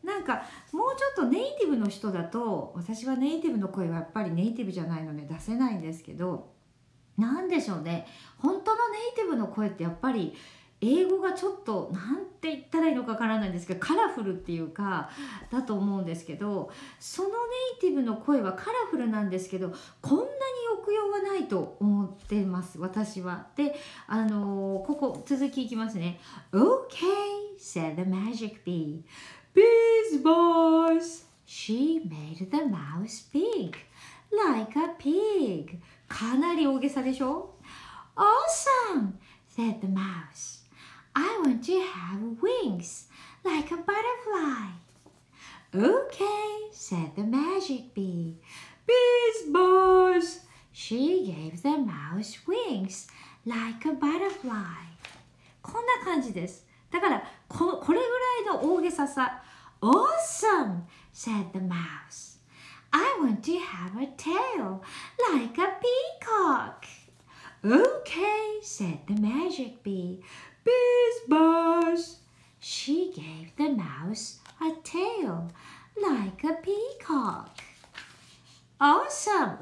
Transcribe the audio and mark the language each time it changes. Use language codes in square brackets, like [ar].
[ja] なんかもうちょっとネイティブの人だと、私はネイティブの声はやっぱりネイティブじゃないので出せないんですけど、なんでしょうね、本当のネイティブの声ってやっぱり英語がちょっと、なんて言ったらいいのかわからないんですけど、カラフルっていうかだと思うんですけど、そのネイティブの声はカラフルなんですけど、こんなに抑揚はないと思ってます、私は。で、ここ続きいきますね。 [en] OK, said the magic bee. Bees boss, she made the mouse pink like a pig. [ja] かなり大げさでしょ。 [en] Awesome, said the mouseI want to have wings like a butterfly. Okay, said the magic bee. Bees boss, she gave the mouse wings like a butterfly. [ja] こんな感じです。だから、これぐらいの大げささ。 [en] Awesome, said the mouse. I want to have a tail like a peacock. Okay, said the magic bee. Bees boss, she gave the mouse a tail like a peacock. Awesome.